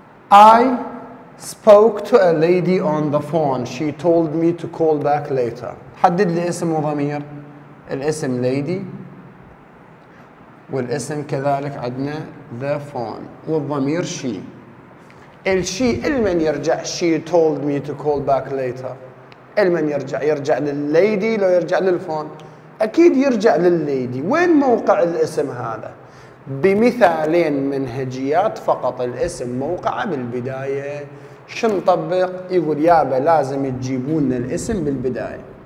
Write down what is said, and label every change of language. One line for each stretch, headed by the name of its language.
English: I spoke to a lady on the phone. She told me to call back later.
Arabic: حدد لي اسم وضمير. الاسم lady والاسم كذلك عندنا the phone والضمير she. الشي المن يرجع؟
English: she told me to call back later.
Arabic: المن يرجع؟ يرجع للليدي لو يرجع للفون؟ اكيد يرجع للليدي. وين موقع الاسم هذا؟ بمثالين منهجيات فقط الاسم موقعه بالبداية. شو نطبق؟ يقول يابا لازم تجيبون الاسم بالبداية.